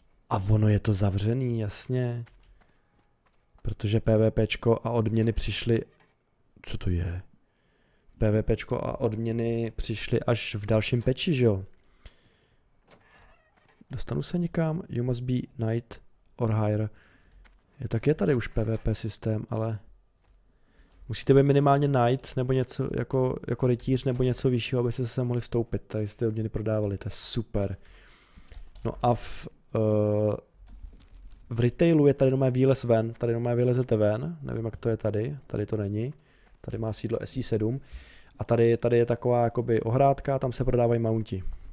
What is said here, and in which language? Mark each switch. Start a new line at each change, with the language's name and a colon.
Czech: A ono je to zavřený, jasně. Protože PvPčko a odměny přišly... Co to je? PvPčko a odměny přišly až v dalším patchi, že jo? Dostanu se někam?
English: You must be knight or higher.
Czech: Jo, tak je tady už PvP systém, ale... Musíte být minimálně knight nebo něco jako rytíř nebo něco vyššího, abyste se mohli vstoupit, tady jste odměny prodávali, to je super. No a v retailu je tady doma výlez ven, tady doma vylezete ven, nevím jak to je tady, tady to není, tady má sídlo SI7 a tady je taková jakoby ohrádka, tam se prodávají mounti.